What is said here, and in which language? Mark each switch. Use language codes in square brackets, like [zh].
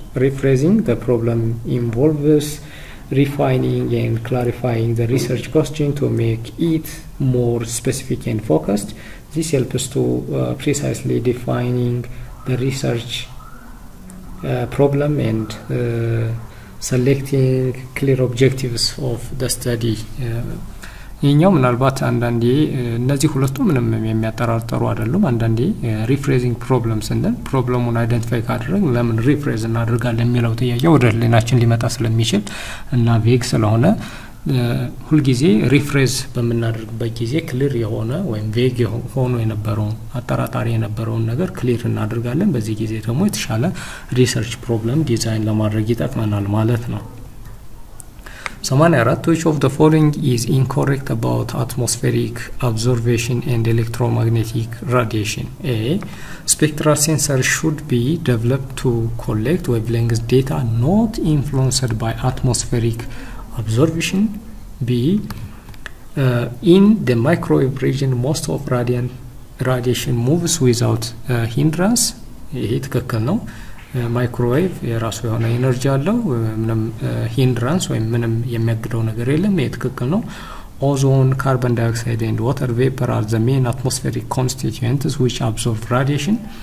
[en] Rephrasing the problem involves refining and clarifying the research question to make it more specific and focused. This helps to precisely defining the research problem and selecting clear objectives of the study. [am] ይኛው ምናልባት አንዳንዴ እነዚህ ሁለቱ ምንም የሚያጠራጥሩ አይደሉም። አንዳንዴ ሪፍሬዚንግ ፕሮብለምስ እንደን ፕሮብለሙን አይደንቲፋይ ካደረግ ለምን ሪፍሬዝ እናደርጋለን የሚለው ጥያቄ ወደ ህሊናችን ሊመጣ ስለሚችል እና ቬግ ስለሆነ ሁልጊዜ ሪፍሬዝ በመናደርግበት ጊዜ ክሊር የሆነ ወይም ቬግ ሆኖ የነበረውን አጠራጣሪ የነበረውን ነገር ክሊር እናደርጋለን። በዚህ ጊዜ ደግሞ የተሻለ ሪሰርች ፕሮብለም ዲዛይን ለማድረግ ይጠቅመናል ማለት ነው። [en] Samanarat, which of the following is incorrect about atmospheric absorption and electromagnetic radiation? A, spectral sensor should be developed to collect wavelength data not influenced by atmospheric absorption. B, in the microwave region most of radiation moves without hindrance. [am] ይሄ ትክክል ነው። ማይክሮዌቭ የራሱ የሆነ ኢነርጂ አለው። ምንም ሂንድራንስ ወይ ምንም የሚያግደው ነገር የለም። የትክክል ነው። [en] ኦዞን፣ ካርቦን ዳይኦክሳይድ ኤንድ ዋተር ቬፐር አር ዘ ሜን አትሞስፌሪክ ኮንስቲቲዩንትስ which absorb radiation.